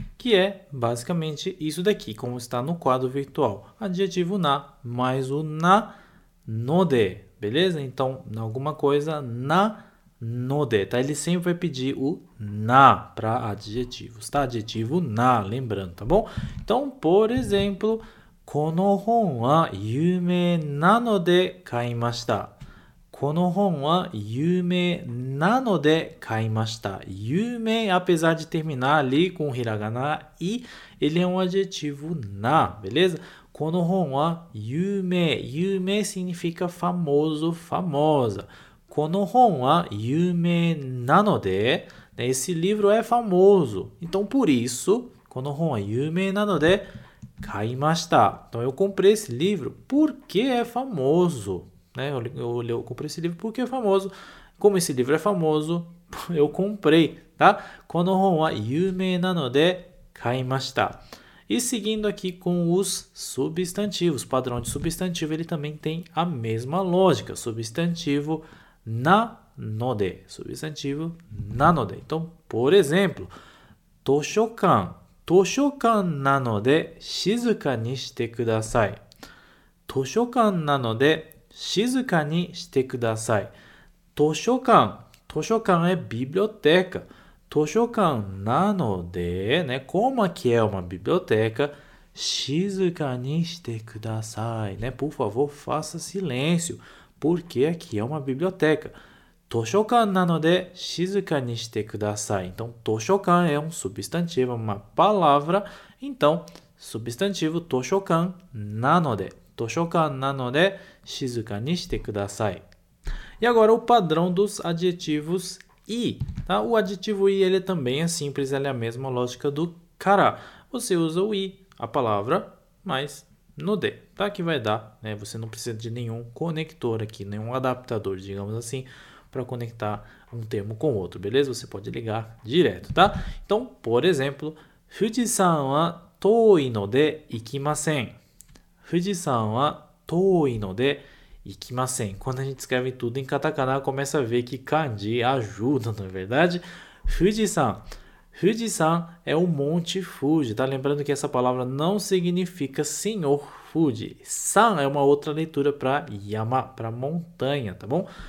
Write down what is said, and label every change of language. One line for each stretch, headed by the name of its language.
Portuguese: que é basicamente isso daqui, como está no quadro virtual. Adjetivo na mais o na no de, beleza? Então, na alguma coisa na no de, tá? Ele sempre vai pedir o na para adjetivos, tá? Adjetivo na, lembrando, tá bom? Então, por exemplo,
Japanese: この本は有名なので買いました。この本は有名なので買いました。
Portuguese: 有名、apesar de terminar ali com hiragana i, ele é um adjetivo na, beleza?
Japanese: この本は有名。
Portuguese: 有名 significa famoso, famosa.
Japanese: この本は有名なので、né?
Portuguese: Esse livro é famoso. Então, por isso,
Japanese: この本は有名なので買いました.
Portuguese: Então, eu comprei esse livro porque é famoso. Né? Eu comprei esse livro porque é famoso. Como esse livro é famoso, eu comprei, tá?
Japanese: この本は有名なので買いました.
Portuguese: E seguindo aqui com os substantivos. Padrão de substantivo, ele também tem a mesma lógica. Substantivo na ので. Substantivo na ので.
Japanese: Então, por exemplo, 図書館図書館なので静かにしてください。図書館なので静かにしてください。
Portuguese: 図書館、図書館é biblioteca.
Japanese: 図書館なので、ね、
Portuguese: como aqui é uma biblioteca,
Japanese: 静かにしてください。
Portuguese: ね、por favor, faça silêncio, porque aqui é uma biblioteca.
Japanese: 図書館なので静かにしてください。
Portuguese: Então, 図書館 é um substantivo, uma palavra. Então, substantivo
Japanese: 図書館なので。図書館なので静かにしてください。
Portuguese: E agora o padrão dos adjetivos i. Tá? O adjetivo i ele também é simples, ele é a mesma lógica do kara. Você usa o i, a palavra, mais no de, tá? Que vai dar, né? Você não precisa de nenhum conector aqui, nenhum adaptador, digamos assim, para conectar um termo com outro, beleza? Você pode ligar direto, tá? Então, por exemplo,
Japanese: 富士山は遠いので行きません。富士山は遠いので行きません。
Portuguese: Quando a gente escreve tudo em katakana, começa a ver que kanji ajuda, não é verdade?
Japanese: 富士山。
Portuguese: 富士山 é o monte Fuji, tá? Lembrando que essa palavra não significa senhor Fuji. San é uma outra leitura para yama, para montanha, tá bom?